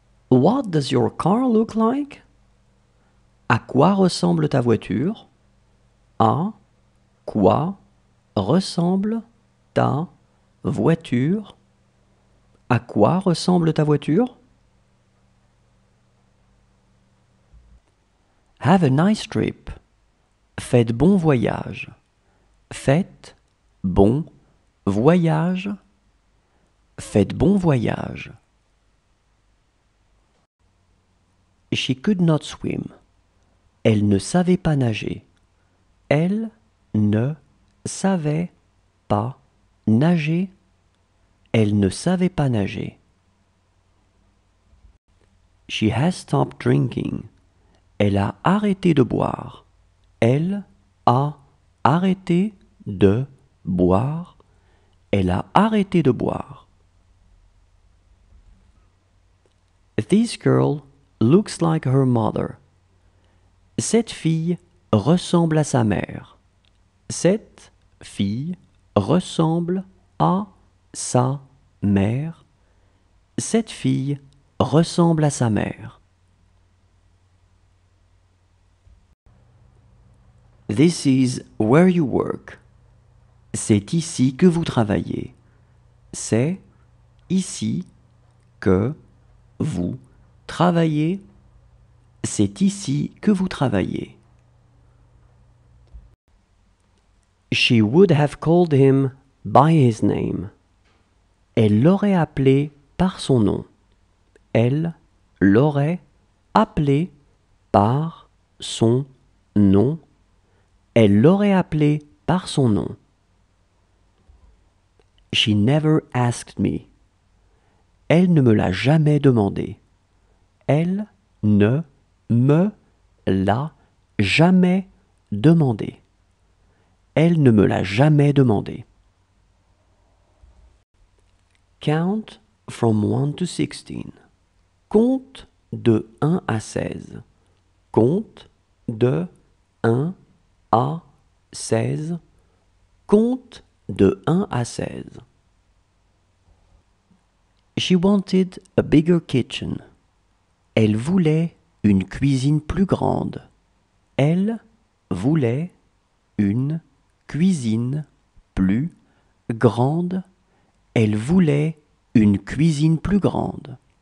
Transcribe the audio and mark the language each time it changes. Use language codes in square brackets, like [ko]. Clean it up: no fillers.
[en] What does your car look like? [fr] À quoi ressemble ta voiture? À quoi ressemble ta voiture? À quoi ressemble ta voiture? [en] Have a nice trip. [fr] Faites bon voyage. Faites bon voyage. Faites bon voyage. [en] She could not swim. [fr] Elle ne savait pas nager. Elle ne savait pas nager. Elle ne savait pas nager. [en] She has stopped drinking. [fr] Elle a arrêté de boire. Elle a arrêté de boire. Elle a arrêté de boire. [en] This girl looks like her mother. [fr] Cette fille ressemble à sa mère. Cette fille ressemble à sa mère. Cette fille ressemble à sa mère. [en] This is where you work. [fr] C'est ici que vous travaillez. C'est ici que vous travaillez. C'est ici que vous travaillez. [en] She would have called him by his name. [fr] Elle l'aurait appelé par son nom. Elle l'aurait appelé par son nom. Elle l'aurait appelé par son nom. [en] She never asked me. [fr] Elle ne me l'a jamais demandé. Elle ne me l'a jamais demandé. Elle ne me l'a jamais demandé. [en] Count from 1 to 16. [fr] Compte de 1 à 16. Compte de 1 à 16. Compte de 1 à 16. [en] She wanted a bigger kitchen. [fr] Elle voulait une cuisine plus grande. Elle voulait une cuisine plus grande. Elle voulait une cuisine plus grande.